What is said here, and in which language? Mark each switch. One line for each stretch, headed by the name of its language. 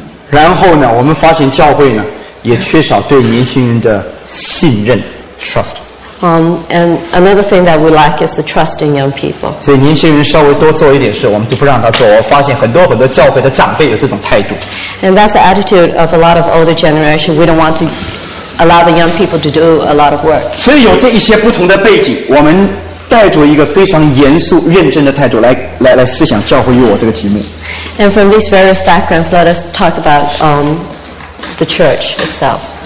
Chinese: 然后呢，我们发现教会呢也缺少对年轻人的信任 trust.
English: And another thing that we lack is the trust in young people.
Chinese: 所以年轻人稍微多做一点事，我们就不让他做。我发现很多很多教会的长辈有这种态度。
English: And that's the attitude of a lot of older generation. We don't want to allow the young people to do a lot of work.
Chinese: 所以有这一些不同的背景，我们带着一个非常严肃认真的态度来思想教会与我这个题目。
English: And from these various backgrounds, let us talk about the church itself.